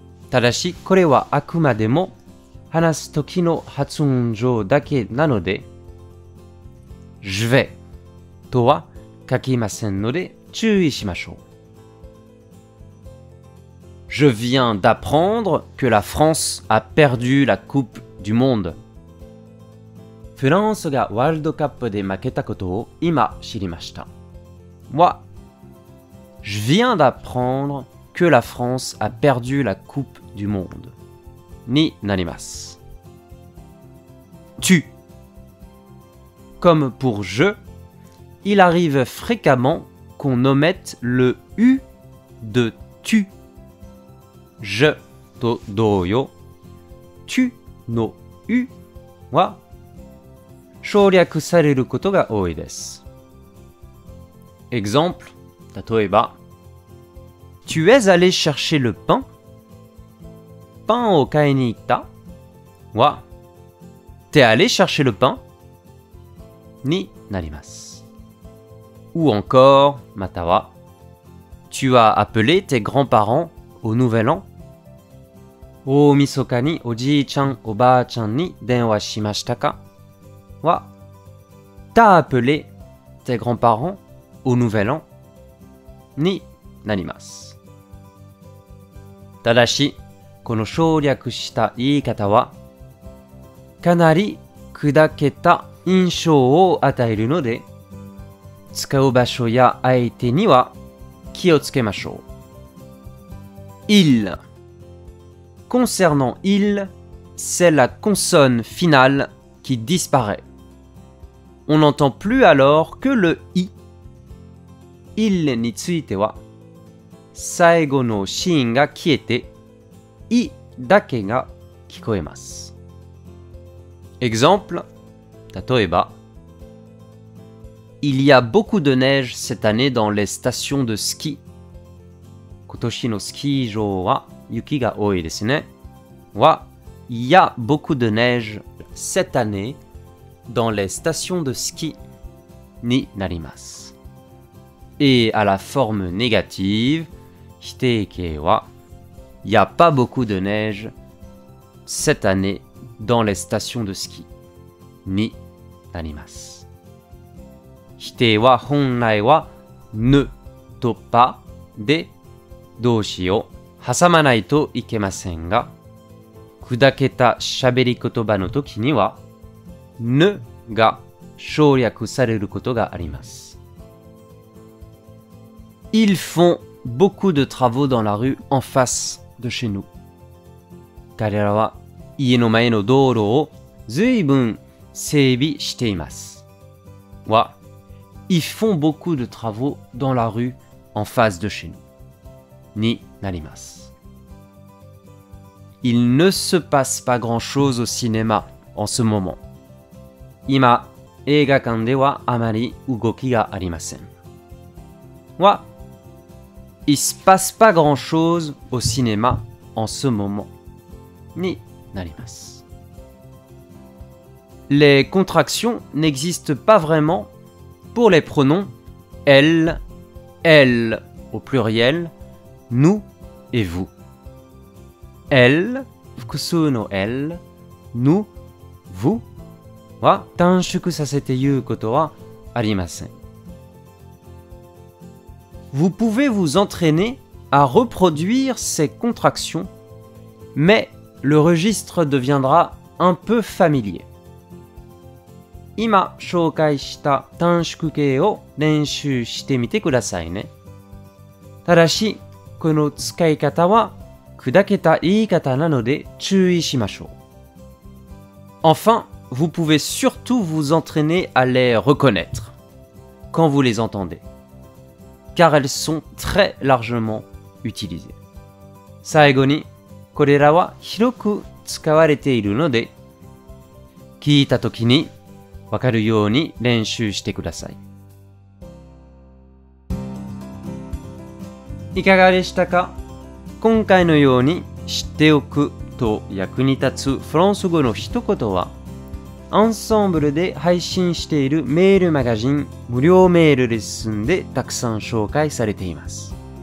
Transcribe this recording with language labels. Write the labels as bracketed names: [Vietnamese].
[Japanese] ただし、これはあくまでも話すときの発音上だけなので、 [French] Je vais [Japanese] とは書きませんので注意しましょう。 [French] Je viens d'apprendre que la France a perdu la Coupe du Monde. [Japanese] フランスがワールドカップで負けたことを今知りました。 [French] Moi, je viens d'apprendre que la France a perdu la Coupe du Monde. [Japanese] になります。 [French] Tu. Comme pour je, il arrive fréquemment qu'on omette le U de tu. [Japanese] Je と同様、 tu の u は省略されることが多いです。 [French] Exemple, [Japanese] 例えば、 [French] Tu es allé chercher le pain? [Japanese] パンを買いに行った？ [French] は、T'es allé chercher le pain? [Japanese] になります。 [French] Ou encore, [Japanese] または、 [French] Tu as appelé tes grands-parents au nouvel an? [Japanese] 大晦日におじいちゃん、おばあちゃんに電話しましたか？は、 [French] T'as appelé tes grands-parents au nouvel an? [Japanese] になります。ただし、この省略した言い方は、かなり砕けた印象を与えるので、使う場所や相手には気をつけましょう。 [French] Il. Concernant il, c'est la consonne finale qui disparaît. On n'entend plus alors que le i. [Japanese] Il については、最後の子音が消えて、i だけが聞こえます。 [French] Exemple, [Japanese] 例えば、 [French] Il y a beaucoup de neige cette année dans les stations de ski. [Japanese] 今年のスキー場は雪が多いですね。 [French] は、 [Japanese] いや、 [French] beaucoup de neige cette année dans les stations de ski [Japanese] になります。 [French] Et à la forme négative, [Japanese] 否定形は、いや、 [French] pas beaucoup de neige cette année dans les stations de ski [Japanese] になります。否定は本来は、ne と pas で動詞を挟まないといけませんが、砕けた喋り言葉の時には、ぬが省略されることがあります。 [French] Ils font beaucoup de travaux dans la rue en face de chez nous. [Japanese] 彼らは家の前の道路を随分整備しています。 [French] は、Ils font beaucoup de travaux dans la rue en face de chez nous. [Japanese] になります。 [French] Il ne se passe pas grand-chose au cinéma en ce moment. [Japanese] 今、映画館ではあまり動きがありません。 [French] は、Il se passe pas grand-chose au cinéma en ce moment. [Japanese] になります。 [French] Les contractions n'existent pas vraiment pour les pronoms elle, elle au pluriel, nous et vous. [Japanese] Elle, 複数の elle, nous, vous は短縮させて言うことはありません。 [French] Vous pouvez vous entraîner à reproduire ces contractions, mais le registre deviendra un peu familier. [Japanese] 今紹介した短縮形を練習してみてくださいね。ただし、この使い方は砕けた言い方なので注意しましょう。 [French] Enfin, vous pouvez surtout vous entraîner à les reconnaître quand vous les entendez. Car elles sont très largement utilisées. [Japanese] 最後に、これらは広く使われているので、聞いたときに分かるように練習してください。いかがでしたか？今回のように知っておくと役に立つフランス語の一言は、アンサンブルで配信しているメールマガジン無料メールレッスンでたくさん紹介されています。